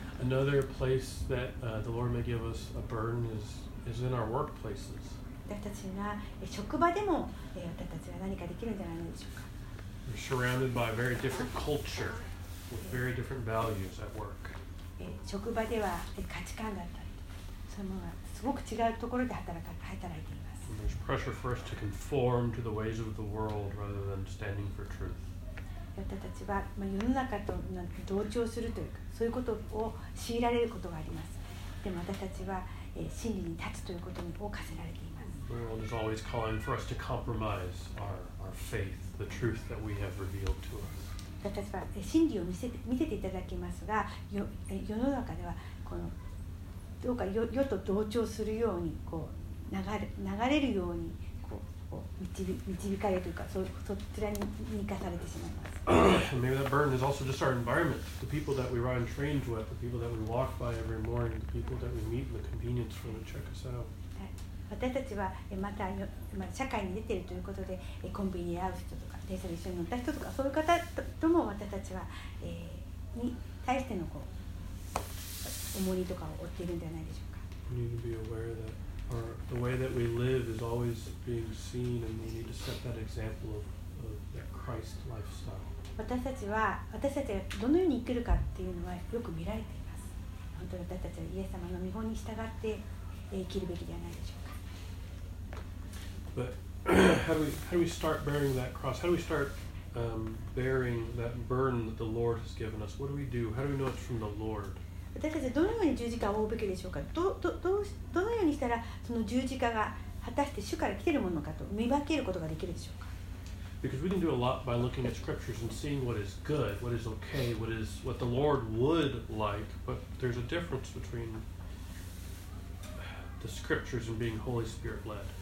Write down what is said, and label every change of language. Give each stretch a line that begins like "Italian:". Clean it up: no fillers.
English: Another place that the Lord may give us a burden is in our workplaces.
Japanese: 私たちが職場でも私たちは何かできるんじゃないでしょうか。
English: We're surrounded by a very different culture with very different values at work.
Japanese: 職場では価値観だったりそういうものがすごく違うところで働いています。
English: And there's pressure for us to conform to the ways of the world rather than standing for truth.
Japanese: 私たちは世の中と同調するというかそういうことを強いられることがあります。でも私たちは真理に立つということを課せられています。
English: The world is always calling for us to compromise our faith. The truth that we have revealed to us.
Japanese: 私たちは真理を見せていただきますが、世の中ではこのどうか世と同調するようにこう流れるようにこう導かれというか、そちらに生かされてしまいます。
English: Maybe that burden is also just our environment, the people that we ride trains with, the people that we walk by every morning, the people that we meet in the convenience store to check us out.
Japanese: 私たちはまた社会に出ているということでコンビニで会う人とか電車で一緒に乗った人とかそういう方とも私たちは、に対してのこう重りとかを負っているんではないでしょうか。
English: We need to be aware that our, the way that we live is always being seen and we need to set that example of that Christ lifestyle.
Japanese: 私たちはどのように生きるかっていうのはよく見られています。本当に私たちはイエス様の見本に従って生きるべきではないでしょうか。
English: But how do we start bearing that cross? How do we start bearing that burden that the Lord has given us? What do we do? How do we know it's from the Lord?
Japanese: 私たちはどのように十字架を負うべきでしょうか。どのようにしたらその十字架が果たして主から来ているものかと見分けることができるでしょうか。
English: Because we can do a lot by looking at scriptures and seeing what is good, what is okay, what the Lord would like. But there's a difference between the scriptures and being Holy Spirit led.